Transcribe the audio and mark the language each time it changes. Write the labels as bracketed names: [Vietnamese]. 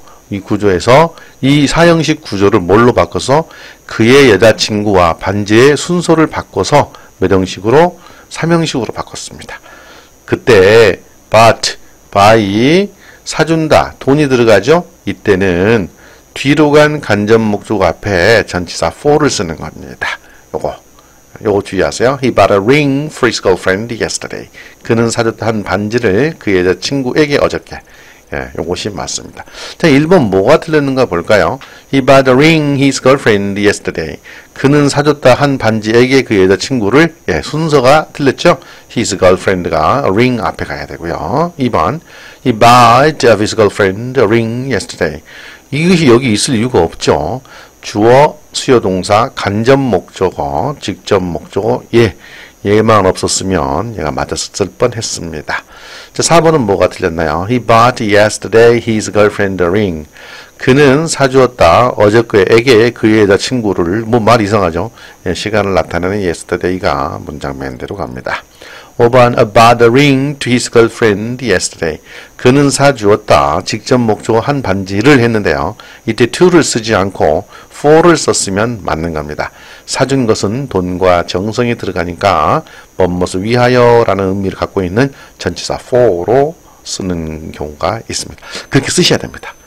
[Korean] 이 구조에서 이 사형식 구조를 뭘로 바꿔서 그의 여자친구와 반지의 순서를 바꿔서 몇 형식으로? 3형식으로 바꿨습니다. 그때 but, by, 사준다, 돈이 들어가죠? 이때는 뒤로 간 간접 목적 앞에 전치사 for를 쓰는 겁니다. 요거 주의하세요. [English] He bought a ring for his girlfriend yesterday. [Korean] 그는 사줬던 반지를 그 여자친구에게 어저께. 예, 요것이 맞습니다. 자, 1번 뭐가 틀렸는가 볼까요? [English] He bought a ring his girlfriend yesterday. [Korean] 그는 사줬다 한 반지에게 그 여자친구를, 예, 순서가 틀렸죠? [English] His girlfriend [Korean] 가 ring 앞에 가야 되고요. [English] 2번, He bought of his girlfriend a ring yesterday. [Korean] 이것이 여기 있을 이유가 없죠? 주어, 수요동사, 간접 목적어, 직접 목적어, 예. 얘만 없었으면 얘가 맞았을 뻔했습니다. 자, 4번은 뭐가 틀렸나요? [English] He bought yesterday his girlfriend a ring. [Korean] 그는 사주었다. 어저께에게 그의 여자친구를. 뭐 말 이상하죠? 예, 시간을 나타내는 yesterday가 문장 맨대로 갑니다. [English] 5번 about a ring to his girlfriend yesterday. [Korean] 그는 사주었다. 직접 목적으로 한 반지를 했는데요. 이때 to를 쓰지 않고 for를 썼으면 맞는 겁니다. 사준 것은 돈과 정성이 들어가니까 뭐뭐를 위하여라는 의미를 갖고 있는 전치사 for로 쓰는 경우가 있습니다. 그렇게 쓰셔야 됩니다.